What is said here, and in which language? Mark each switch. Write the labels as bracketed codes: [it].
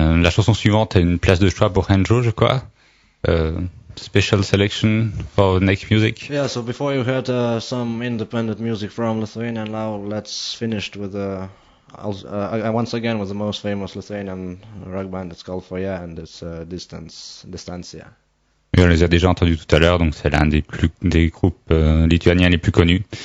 [fr] chanson suivante a une place de choix pour Andrew, je crois. [en] Special selection for next music. Yeah, so before you heard some independent music from Lithuania, now let's finish with once again with the most famous Lithuanian rock band. It's called Foya and it's Distancia. [fr] Oui, on les a déjà entendus tout à l'heure, donc c'est l'un des groupes lituaniens les plus connus.